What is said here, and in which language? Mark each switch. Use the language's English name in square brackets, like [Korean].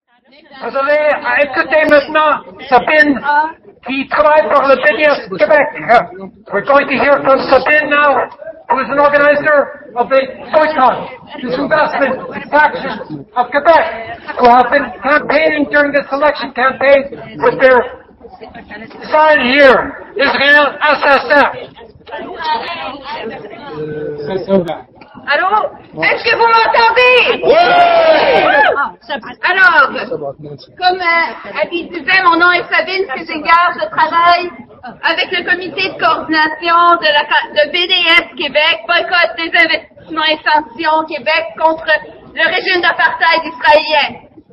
[French] Désolée, est-ce que tu es maintenant Sabine qui travaille pour le BDS Québec? [English] We're going to hear from Sabine now, who is an organizer of the boycott, this investment faction of Quebec, who have been campaigning during this election campaign with their sign here, Israel SSF. [French] Allô? Est-ce que vous m'entendez? Oui! Alors, comme Abby disait, mon nom est Sabine Feinsilber, je travaille avec le comité de coordination de BDS Québec, boycott des investissements et sanctions Québec contre le régime d'apartheid israélien.